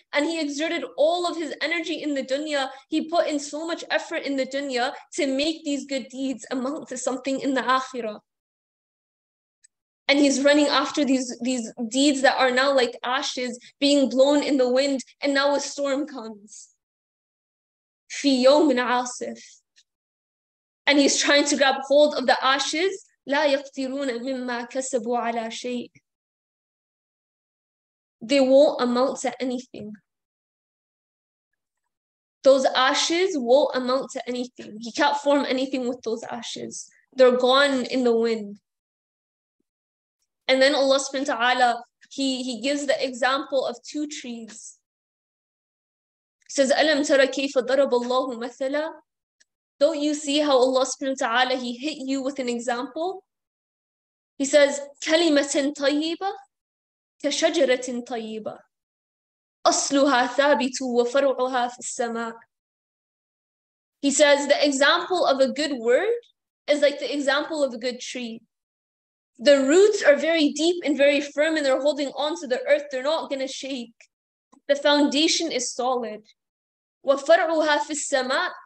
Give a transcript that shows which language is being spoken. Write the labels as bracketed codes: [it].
[en] And he exerted all of his energy in the dunya. He put in so much effort in the dunya to make these good deeds amount to something in the akhirah. And he's running after these deeds that are now like ashes being blown in the wind. And now a storm comes. [ar] Fi yawmin asif. [en] And he's trying to grab hold of the ashes. [ar] لا يقدرون مما كسبوا على شيء. [en] They won't amount to anything. Those ashes won't amount to anything. He can't form anything with those ashes. They're gone in the wind. And then Allah subhanahu wa ta'ala, he gives the example of two trees. He says, [ar] أَلَمْ تَرَ كَيْفَ ضَرَبَ اللَّهُ مَثَلًا. [en] Don't you see how Allah subhanahu wa ta'ala, He hit you with an example? He says, [ar] كَلِمَةٍ طَيِّبَةٍ كَشَجَرَةٍ طَيِّبَةٍ أَصْلُهَا ثَابِتُ وَفَرْعُهَا فِي السَّمَاءِ. [en] He says, the example of a good word is like the example of a good tree. The roots are very deep and very firm and they're holding on to the earth. They're not going to shake. The foundation is solid. [ar] وَفَرْعُهَا فِي السَّمَاءِ.